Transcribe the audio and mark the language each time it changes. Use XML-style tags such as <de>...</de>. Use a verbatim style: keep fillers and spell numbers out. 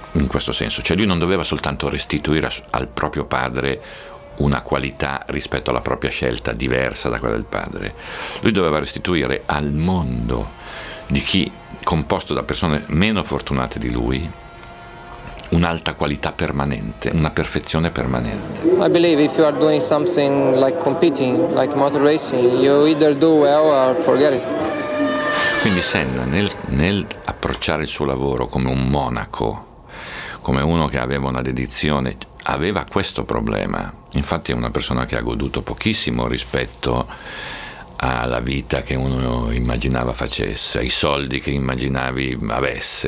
<it>in questo senso, cioè lui non doveva soltanto restituire al proprio padre una qualità rispetto alla propria scelta diversa da quella del padre, lui doveva restituire al mondo di chi, composto da persone meno fortunate di lui, un'alta qualità permanente, una perfezione permanente.</it> <en>I believe if you are doing something like competing, like motor racing, you either do well or forget it.</en> <it>Quindi Senna nel, nel approcciare il suo lavoro come un monaco, come uno che aveva una dedizione, aveva questo problema. Infatti è una persona che ha goduto pochissimo rispetto alla vita che uno immaginava facesse, ai soldi che immaginavi avesse.</it>